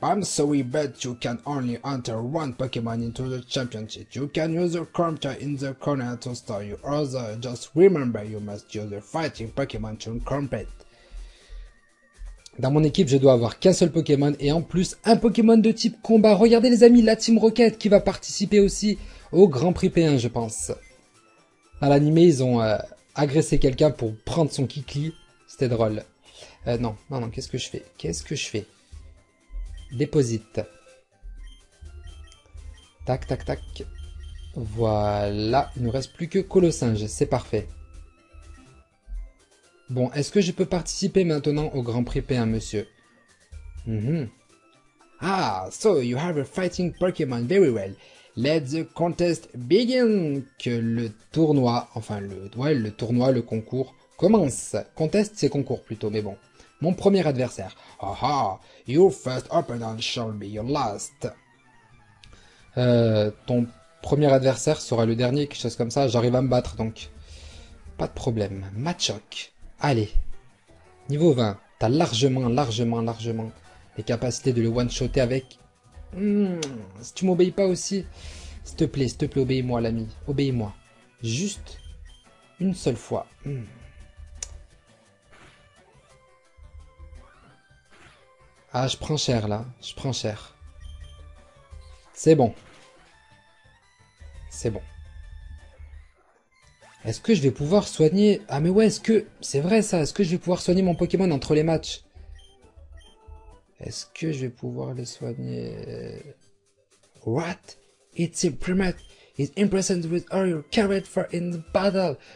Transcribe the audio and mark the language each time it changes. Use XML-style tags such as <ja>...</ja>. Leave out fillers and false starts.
<en>I'm sorry, but you can only enter one Pokémon into the championship. You can use the counter in the corner to store your other. Just remember, you must use the fighting Pokémon to compete.</en> <fr>Dans mon équipe, je dois avoir qu'un seul Pokémon et en plus un Pokémon de type combat. Regardez les amis, la Team Rocket qui va participer aussi au Grand Prix P1, je pense. Dans l'animé, ils ont agressé quelqu'un pour prendre son Kikli. C'était drôle. Non, non, non, qu'est-ce que je fais? Qu'est-ce que je fais? Déposite. Tac, tac, tac. Voilà, il ne nous reste plus que Colossinge, c'est parfait. Bon, est-ce que je peux participer maintenant au Grand Prix P1, monsieur?</fr> <en>Ah, so you have a fighting Pokémon, very well. Let the contest begin.</en> <fr>Que le tournoi, enfin le tournoi, le concours commence. Contest, c'est concours plutôt, mais bon. Mon premier adversaire.</fr> <en>Ah, your first opponent shall be your last.</en> <fr>Ton premier adversaire sera le dernier, quelque chose comme ça. J'arrive à me battre, donc pas de problème. Machoke. Allez, niveau 20, t'as largement, largement, largement les capacités de le one-shotter avec. Si tu m'obéis pas aussi, s'il te plaît, obéis-moi, l'ami, obéis-moi. Juste une seule fois. Ah, je prends cher là, je prends cher. C'est bon. C'est bon. Est-ce que je vais pouvoir soigner? Ah mais ouais, est-ce que c'est vrai ça? Est-ce que je vais pouvoir soigner mon Pokémon entre les matchs? Est-ce que je vais pouvoir les soigner?</fr> <en>What? It's a Primate. It's impressed with all your courage for in the battle.</en>